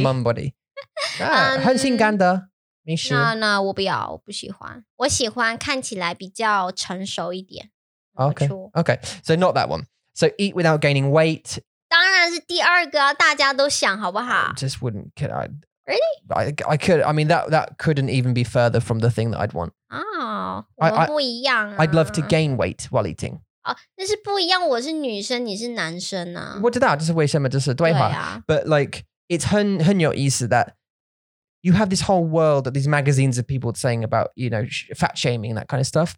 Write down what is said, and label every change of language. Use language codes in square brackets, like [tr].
[en] A mom body. Yeah, [zh] 很性感的, 没事。 No, no, 我不要, 我不喜欢。我喜欢看起来比较成熟一点。 [en] Okay, okay, so not that one. So eat without gaining weight. [zh] 当然是第二个, 大家都想好不好? [en] I just wouldn't, could I? Really? I could, I mean, that couldn't even be further from the thing that I'd want. [zh] Oh, 我们不一样啊。 [en] I'd love to gain weight while eating. [zh] 那是不一样, 我是女生, 你是男生啊。我知道, 这是为什么,这是对话。 [en] But like, it's [zh] 很有意思 [en] that you have this whole world of these magazines of people saying about, you know, fat shaming, that kind of stuff.